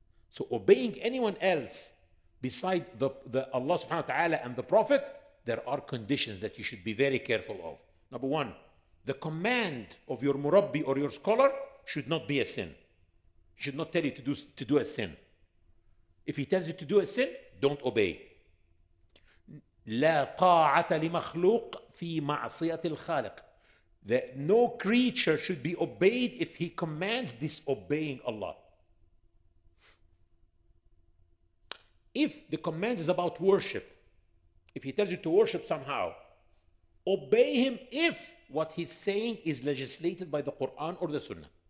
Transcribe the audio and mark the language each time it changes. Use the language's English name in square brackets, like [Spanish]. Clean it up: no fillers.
[English] So obeying anyone else beside the Allah subhanahu wa ta'ala and the Prophet, there are conditions that you should be very careful of. Number one, the command of your murabbi or your scholar should not be a sin. He should not tell you to do a sin. If he tells you to do a sin, don't obey. [Arabic] لا قاعة لمخلوق في معصية الخالق. [English] That no creature should be obeyed if he commands disobeying Allah. If the command is about worship, if he tells you to worship somehow, obey him if what he's saying is legislated by the Quran or the Sunnah.